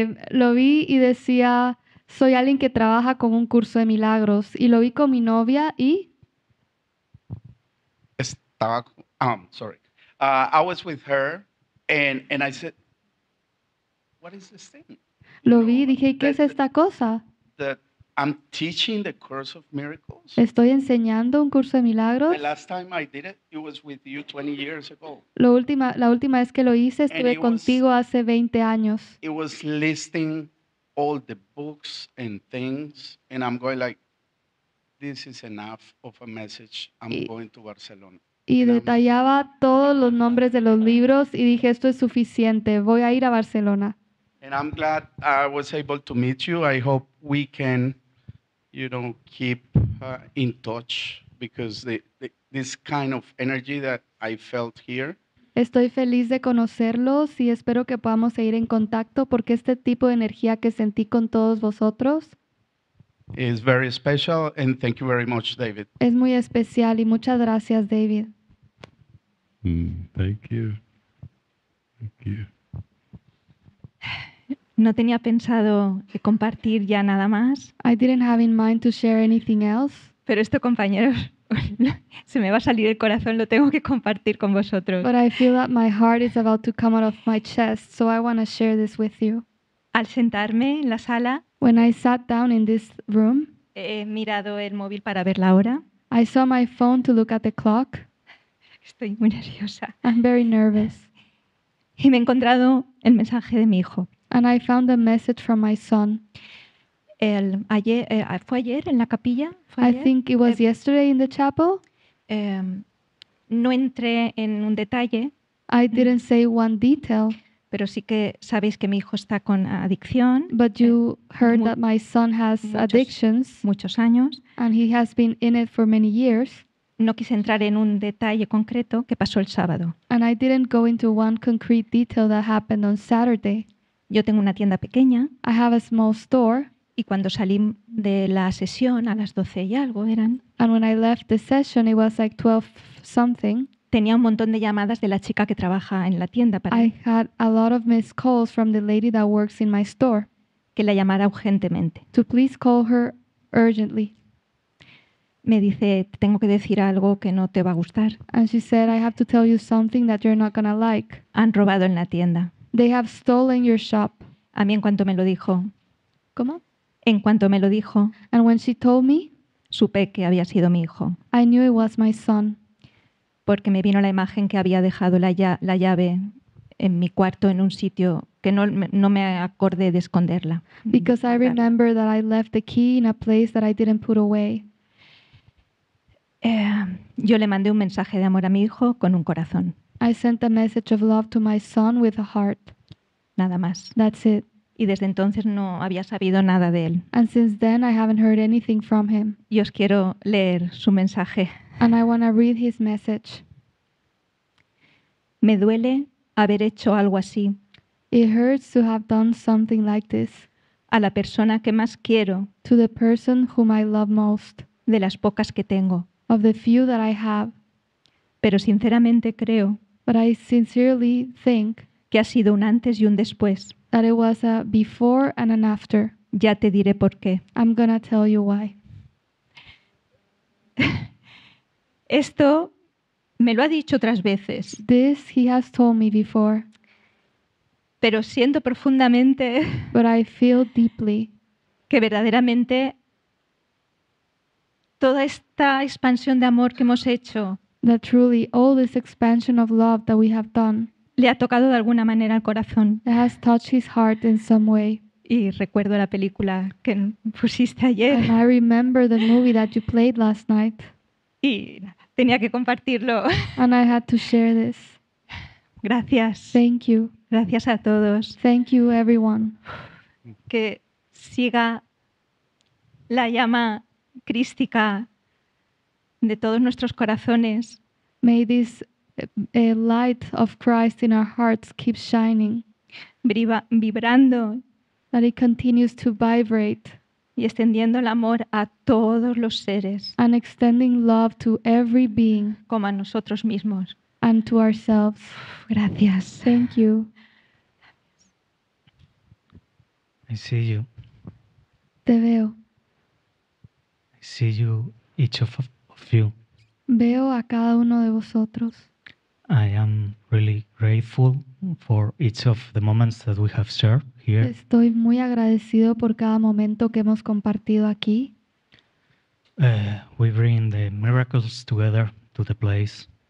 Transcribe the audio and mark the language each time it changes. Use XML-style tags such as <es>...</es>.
<es>Lo vi y decía, soy alguien que trabaja con un curso de milagros. Y lo vi con mi novia y estaba,</es> <en>I was with her, and I said, what is this thing?</en> <es>Lo vi, dije, ¿qué es esta cosa?</es> <en>That I'm teaching the course of miracles.</en> <es>Estoy enseñando un curso de milagros.</es> <en>The last time I did it, it was with you 20 years ago.</en> <es>La última vez que lo hice, estuve contigo hace 20 años.</es> <en>It was listing all the books and things, and I'm going like, this is enough of a message. I'm going to Barcelona.</en> <es>Y detallaba todos los nombres de los libros y dije, esto es suficiente, voy a ir a Barcelona.</es> <en>And I'm glad I was able to meet you. I hope we can, you know, keep in touch because this kind of energy that I felt here.</en> <es>Estoy feliz de conocerlos y espero que podamos seguir en contacto porque este tipo de energía que sentí con todos vosotros</es> <en>is very special, and thank you very much, David.</en> <es>Es muy especial y muchas gracias, David.</es> <en>Thank you.</en> <es>No tenía pensado compartir ya nada más.</es> <en>I didn't have in mind to share anything else.</en> <es>Pero esto, compañeros, se me va a salir el corazón, lo tengo que compartir con vosotros.</es> <en>But I feel that my heart is about to come out of my chest, so I want to share this with you.</en> <es>Al sentarme en la sala,</es> <en>when I sat down in this room,</en> <es>he mirado el móvil para ver la hora.</es> <en>I saw my phone to look at the clock.</en> <es>Estoy muy nerviosa.</es> <en>I'm very nervous.</en> <es>Y me he encontrado el mensaje de mi hijo.</es> <en>And I found a message from my son. I think it was yesterday in the chapel.</en> <es>No entré en un detalle.</es> <en>I didn't say one detail.</en> <es>Pero sí que sabéis que mi hijo está con adicción.</es> <en>But you heard that my son has addictions.</en> <es>Muchos años.</es> <en>And he has been in it for many years.</en> <es>No quise entrar en un detalle concreto que pasó el sábado.</es> <en>And I didn't go into one concrete detail that happened on Saturday.</en> <es>Yo tengo una tienda pequeña.</es> <en>I have a small store.</en> <es>Y cuando salí de la sesión a las 12 y algo eran.</es> <en>And when I left the session, it was like 12 something.</en> <es>Tenía un montón de llamadas de la chica que trabaja en la tienda para.</es> <en>I had a lot of missed calls from the lady that works in my store.</en> <es>Que la llamara urgentemente.</es> <en>To please call her urgently.</en> <es>Me dice, tengo que decir algo que no te va a gustar.</es> <en>And she said, I have to tell you something that you're not gonna like.</en> <es>Han robado en la tienda.</es> <en>They have stolen your shop.</en> <es>A mí en cuanto me lo dijo. ¿Cómo? En cuanto me lo dijo.</es> <en>And when she told me.</en> <es>Supe que había sido mi hijo.</es> <en>I knew it was my son.</en> <es>Porque me vino la imagen que había dejado la llave en mi cuarto en un sitio que no me acordé de esconderla.</es> <en>Because I remember that I left the key in a place that I didn't put away.</en> <es>Yo le mandé un mensaje de amor a mi hijo con un corazón.</es> <en>I sent a message of love to my son with a heart.</en> <es>Nada más.</es> <en>That's it.</en> <es>Y desde entonces no había sabido nada de él.</es> <en>And since then I haven't heard anything from him.</en> <es>Y os quiero leer su mensaje.</es> <en>And I want to read his message.</en> <es>Me duele haber hecho algo así.</es> <en>It hurts to have done something like this.</en> <es>A la persona que más quiero.</es> <en>To the person whom I love most.</en> <es>De las pocas que tengo.</es> <en>Of the few that I have.</en> <es>Pero sinceramente creo.</es> <en>But I sincerely think.</en> <es>Que ha sido un antes y un después.</es> <en>That it was a before and an after.</en> <es>Ya te diré por qué.</es> <en>I'm gonna tell you why.</en> <es>Esto me lo ha dicho otras veces.</es> <en>This he has told me before.</en> <es>Pero siento profundamente.</es> <en>But I feel deeply.</en> <es>Que verdaderamente. Toda esta expansión de amor que hemos hecho.</es> <en>That truly all this expansion of love that we have done.</en> <es>Le ha tocado de alguna manera el corazón.</es> <en>It has touched his heart in some way.</en> <es>Y recuerdo la película que pusiste ayer.</es> <en>And I remember the movie that you played last night.</en> <es>Y tenía que compartirlo.</es> <en>And I had to share this.</en> <es>Gracias.</es> <en>Thank you.</en> <es>Gracias a todos.</es> <en>Thank you everyone.</en> <es>Que siga la llama crística de todos nuestros corazones.</es> <en>May this light of Christ in our hearts keep shining.</en> <es>Vibrando.</es> <en>That it continues to vibrate.</en> <es>Y extendiendo el amor a todos los seres.</es> <en>And extending love to every being.</en> <es>Como a nosotros mismos.</es> <en>And to ourselves.</en> <es>Gracias.</es> <en>Thank you. I see you.</en> <es>Te veo.</es> <en>I see you, each of you.</en> <es>Veo a cada uno de vosotros.</es> <en>I am really grateful for each of the moments that we have shared here.</en> <es>Estoy muy agradecido por cada momento que hemos compartido aquí.</es> <en>We bring the miracles together to the place.</en>